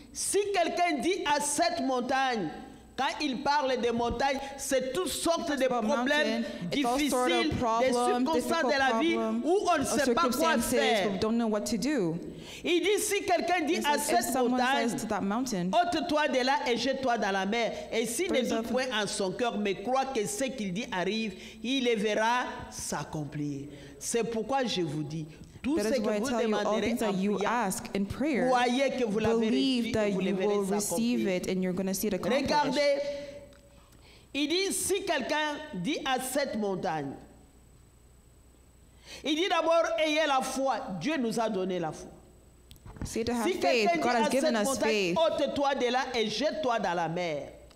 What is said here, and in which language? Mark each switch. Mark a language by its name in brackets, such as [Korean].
[French] Si quelqu'un dit à cette montagne, quand il parle de montagne, c'est toutes sortes de problèmes difficiles, [English] sort of problem, [French] des circonstances de la vie où on ne sait pas quoi faire. [English] We don't know what to do. [French] Il dit si quelqu'un dit à cette montagne, ôte-toi de là et jette-toi dans la mer. Et s'il ne dit point en son cœur, mais croit que ce qu'il dit arrive, il le verra s'accomplir. C'est pourquoi je vous dis. [English] That is why I tell you all things that you ask in prayer. Believe that you will receive it and you're going to see it accomplished. [French] Regardez, il dit si quelqu'un dit à cette montagne, il dit d'abord ayez la foi. Dieu nous a donné la foi. [English] See, to have faith, God has given us faith. [French] Ôte-toi de là et jette-toi dans la mer.